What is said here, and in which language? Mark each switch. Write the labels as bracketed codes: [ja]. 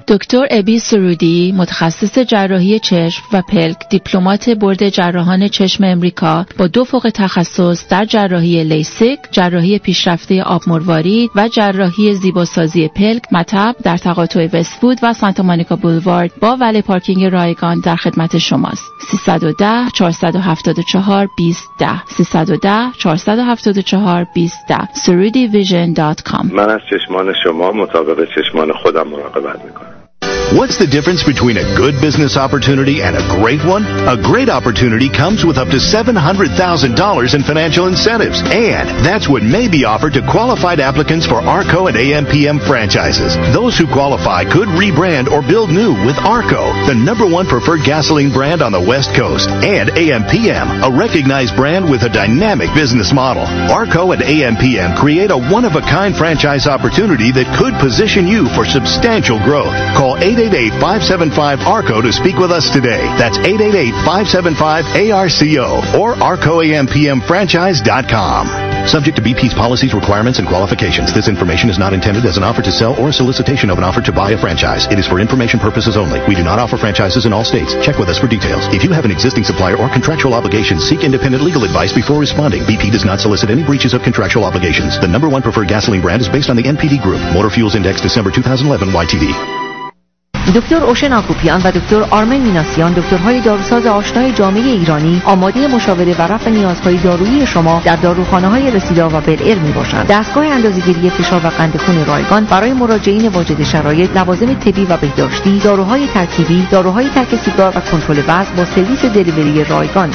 [fa] دکتر ابی سرودی، متخصص جراحی چشم و پلک، دیپلمات بورد جراحان چشم امریکا با دو فوق تخصص در جراحی لیسیک، جراحی پیشرفته آب مروارید و جراحی زیباسازی پلک مطب در تقاطع وست‌وود و سانتا مونیکا بولوارد با ولی پارکینگ رایگان در خدمت شماست. 310-474-2010 310-474-2010 surudivision.com. من از چشمان شما مطابق چشمان خودم مراقبت میکنم. [en] What's the difference between a good business opportunity and a great one? A great opportunity comes with up to $700,000 in financial incentives. And that's what may be offered to qualified applicants for ARCO and AMPM franchises. Those who qualify could rebrand or build new with ARCO, the number one preferred gasoline brand on the West Coast. And AMPM, a recognized brand with a dynamic business model. ARCO and AMPM create a one-of-a-kind franchise opportunity that could position you for substantial growth. Call 888-575-ARCO to speak with us today. That's 888-575-ARCO or ARCOAMPMFranchise.com. Subject to BP's policies, requirements, and qualifications, this information is not intended as an offer to sell or a solicitation of an offer to buy a franchise. It is for information purposes only. We do not offer franchises in all states. Check with us for details. If you have an existing supplier or contractual obligation, seek independent legal advice before responding. BP does not solicit any breaches of contractual obligations. The number one preferred gasoline brand is based on the NPD Group. Motor Fuels Index, December 2011, YTD. [fa] دکتر اوشن آکوپیان و دکتر آرمن میناسیان، دکترهای داروساز آشنای جامعه ایرانی، آماده مشاوره و رفع نیازهای دارویی شما در داروخانه‌های رسیدا و بلعر می‌باشند. دستگاه اندازه‌گیری فشار و قند خون رایگان برای مراجعین واجد شرایط، لوازم طبی و بهداشتی، داروهای ترکیبی، داروهای ترک سیگار و کنترل وزن با سرویس دلیوری رایگان.